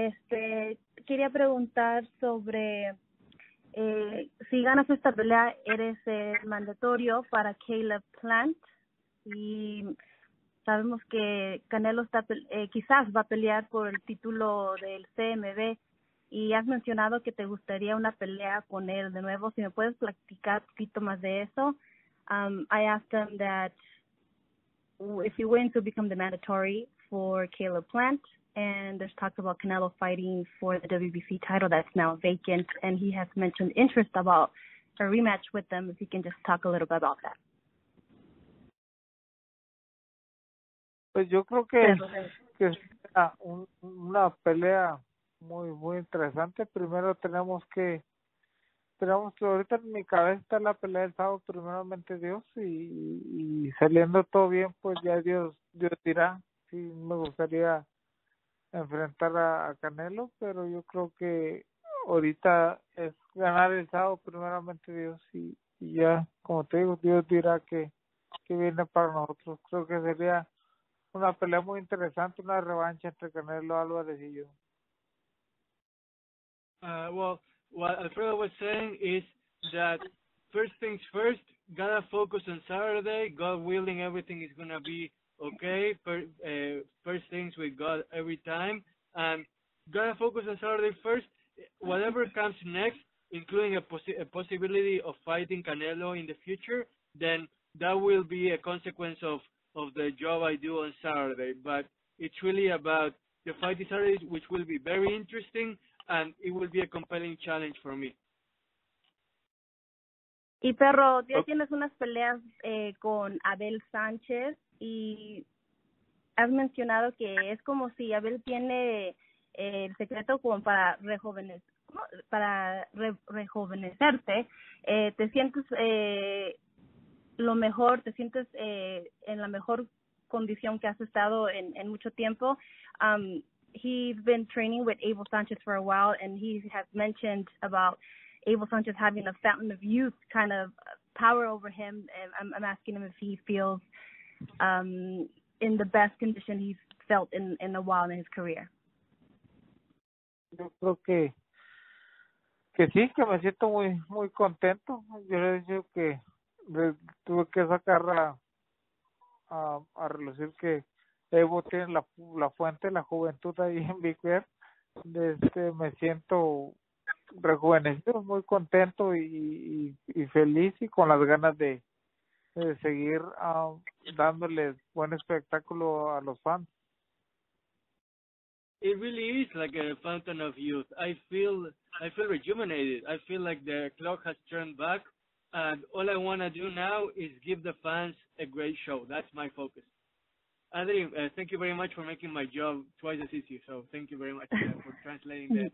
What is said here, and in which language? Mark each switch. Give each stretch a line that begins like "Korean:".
Spanish: Quería preguntar sobre si ganas esta pelea, eres mandatorio para Caleb Plant. Y sabemos que Canelo está, quizás va a pelear por el título del CMB. Y has mencionado que te gustaría una pelea con él de nuevo. Si me puedes platicar un poquito más de eso.
English: I asked him that if he wins, he'll become the mandatory for Caleb Plant. And there's talks about Canelo fighting for the WBC title that's now vacant. And he has mentioned interest about a rematch with them. If you can just talk a little bit about that.
Spanish: Pues yo creo que una pelea muy muy interesante. Primero tenemos que ahorita en mi cabeza está la pelea del sábado, primeramente Dios, y saliendo todo bien, pues ya Dios dirá. Sí, me gustaría enfrentar a Canelo, pero yo creo que ahorita es ganar el sábado, primeramente Dios, y ya, como te digo, Dios dirá que viene para nosotros. Creo que sería una pelea muy interesante, una revancha entre Canelo Álvarez y yo.
English: Well, what Alfredo was saying is that first things first, gotta focus on Saturday. God willing, everything is gonna be okay. First things with God every time. And gotta focus on Saturday first. Whatever comes next, including a possibility of fighting Canelo in the future, then that will be a consequence of the job I do on Saturday. But it's really about the fight this Saturday, which will be very interesting, and it will be a compelling challenge for me.
Spanish: Y Perro, ya tienes unas peleas con Abel Sánchez, y has mencionado que es como si Abel tiene el secreto como para rejuvenecerte. ¿Te sientes lo mejor, te sientes en la mejor condición que has estado en mucho tiempo?
English: He's been training with Abel Sánchez for a while, and he has mentioned about Abel Sánchez having a fountain of youth kind of power over him. And I'm asking him if he feels in the best condition he's felt in a while in his career.
Spanish: Yo creo que sí, que me siento muy muy contento. Yo le digo que tuve que sacar a relucir que Evo tiene la fuente, la juventud ahí en Vicuer. Me siento rejuvenecido, muy contento y feliz, y con las ganas de seguir dándole buen espectáculo a los fans.
English: It really is like a fountain of youth. I feel rejuvenated. I feel like the clock has turned back, and all I want to do now is give the fans a great show. That's my focus. Adri, thank you very much for making my job twice as easy. So thank you very much for translating the,